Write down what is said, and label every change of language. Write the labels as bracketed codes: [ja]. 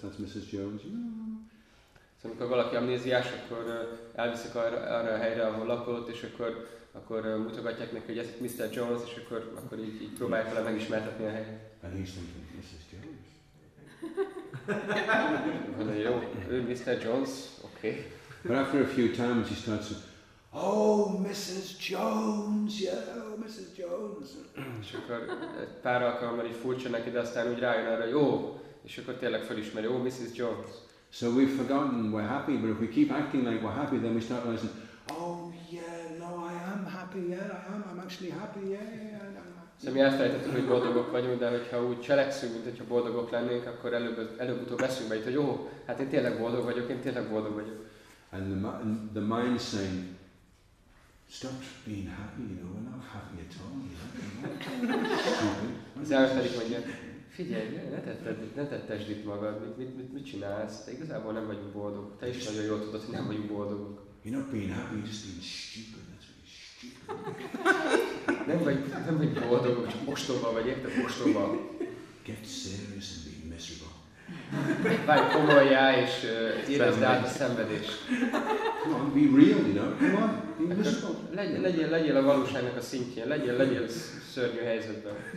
[en] That's Mrs. Jones. [hu] So amikor valaki amnéziás, akkor elviszik arra a helyre, ahol lakott, és akkor mutogatják neki, hogy ez itt Mr. Jones, és akkor így próbálják vele megismertetni a helyet. [en] And he's thinking, Mrs. Jones. [hu] Na jó, ő Mr. Jones, okay. [en] But after a few times he starts to, oh, Mrs. Jones, yeah, oh, Mrs. Jones. [hu] És akkor egy pár alkalommal így furcsa neki, de aztán úgy rájön arra, jó, és akkor tényleg felismeri, oh, Mrs. Jones. [en] So we've forgotten we're happy, but if we keep acting like we're happy, then we start realizing, oh, yeah, no, I am happy, yeah, I am, I'm actually happy, yeah. [hu] Szóval mi elfelejtettük, hogy boldogok vagyunk, de hogyha úgy cselekszünk, mint hogyha boldogok lennénk, akkor előbb-utóbb eszünkbe jut, hogy jó, hát én tényleg boldog vagyok, [en] And the mind saying, stopped being happy, you know, we're not happy at all, you know. [hu] Figyelj, ne tedd itt magad, mit csinálsz? Te igazából nem vagyunk boldog. Te is nagyon jól tudod, hogy nem vagyunk boldogok. [en] You're not being happy, you're just being stupid, that's really stupid. [hu] nem vagy boldog, csak mostoba vagy, érted? Mostoba. [en] Get serious and be miserable. [hu] Várj, komoljál és érezd át a szenvedést. [en] Come on, be real, you know? Come on, be miserable. [hu] Legyél a valóságnak a szintjén, legyél szörnyű helyzetben.